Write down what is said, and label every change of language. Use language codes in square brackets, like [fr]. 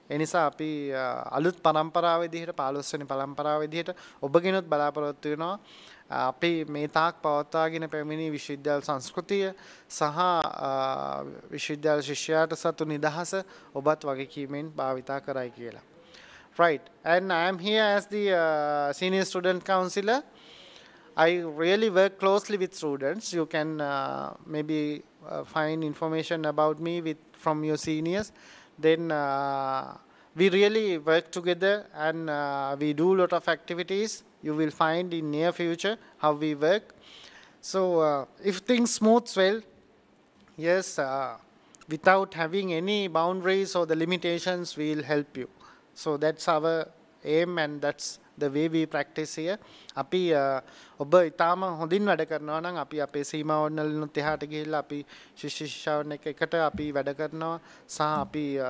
[si] ඒ නිසා අපි අලුත් පරම්පරාව විදිහට 15 වෙනි පරම්පරාව විදිහට ඔබගෙනුත් බලාපොරොත්තු වෙනවා. අපි මේ තාක් පවත්වාගෙන පැමිණි විශ්වවිද්‍යාල සංස්කෘතිය සහ විශ්වවිද්‍යාල ශිෂ්‍යයාට සතු නිදහස ඔබත් වගකීමෙන් භාවිතා කරයි කියලා. [en] Right, and I am here as the senior student counselor. I really work closely with students. You can maybe find information about me from your seniors. Then we really work together and we do a lot of activities. You will find in near future how we work. So if things smooth well, yes, without having any boundaries or the limitations, we'll help you. So that's our aim and that's the way we practice here. [si] අපි ඔබ ඉතාම හොඳින් වැඩ කරනවා නම් අපි අපේ සීමාවන් වලට එහාට ගිහිල්ලා අපි ශිෂ්‍ය ශිෂ්‍යාවන් එක්ක එකට අපි වැඩ කරනවා සහ අපි